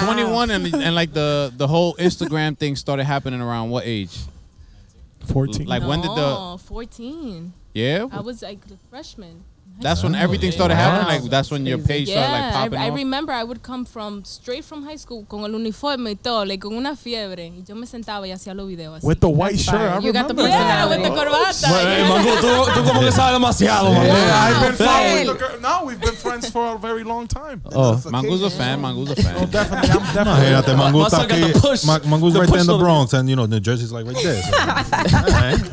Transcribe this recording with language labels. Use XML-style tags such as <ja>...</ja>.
<en>21 and like the whole Instagram thing started happening around what age? 14. Like no, when did the... 14. Yeah? I was like a freshman. That's when everything started happening. Like that's when your page started like popping off. I remember I would come from straight from high school</en> <es>con el uniforme y todo,</es> <en>like</en> <es>con una fiebre. Y yo me sentaba y hacía los videos así.</es> <en>With the white shirt, I remember. You got the personality. Yeah, with the corbata. Well, hey,</en> <es>Mango, tú como que sabes demasiado.</es> <en>Yeah, I've been following the girl. Now we've been friends for a very long time. Oh, Mango's a fan. Oh, definitely. I'm definitely. Mango's got the push. Mango's right there in the Bronx. And, you know, New Jersey's like right there.</en>